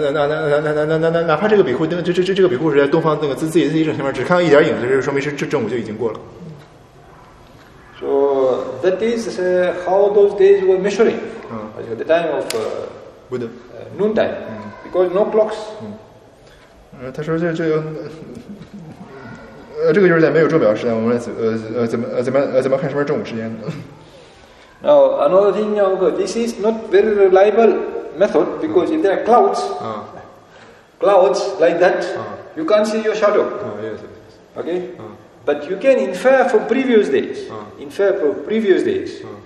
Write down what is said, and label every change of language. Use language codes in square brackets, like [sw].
[en] Okay. [zh] 然后呢，哪怕这个比库，这个比库是在东方那个自己正前面，只看到一点影子，就是说明是正午就已经过了。 [en] So that is how those days were measuring. At the time of Buddha, noon time, because no clocks. [zh] 他说这个就是在没有钟表时代，我们怎么看什么是正午时间呢？ [en] Now another thing, this is not very reliable method because if there are clouds, clouds like that, you can't see your shadow. Yes. Okay. But you can infer from previous days. Infer from previous days.